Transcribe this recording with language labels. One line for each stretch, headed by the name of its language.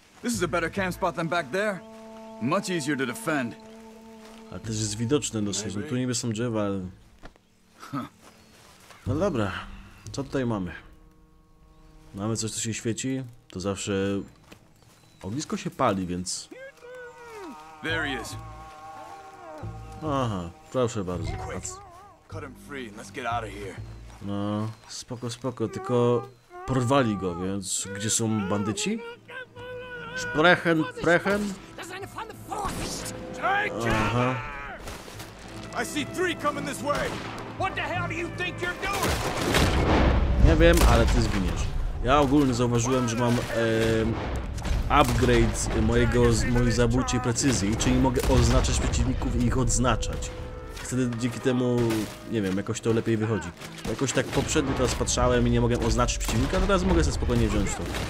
English: This is a better camp spot than back there. Much easier to defend.
Polish: Ale też jest widoczne dosyć, bo tu niby są drzewa, ale... No dobra, co tutaj mamy? Mamy coś, co się świeci? To zawsze ognisko się pali, więc...
English: There he is.
Polish: Aha, proszę bardzo.
English: Cut him free and let's get out of here.
Polish: No, spoko, spoko, tylko porwali go, więc gdzie są bandyci? Sprechen, prechen. Aha.
English: I see three coming this way. What the hell do you think you're doing?
Polish: Nie wiem, ale ty zginiesz. Ja ogólnie zauważyłem, że mam upgrade mojej zabójczej precyzji, czyli mogę oznaczać przeciwników i ich odznaczać. Wtedy dzięki temu, nie wiem, jakoś to lepiej wychodzi. Jakoś tak poprzednio teraz patrzałem i nie mogłem oznaczyć przeciwnika, teraz mogę sobie spokojnie wziąć to.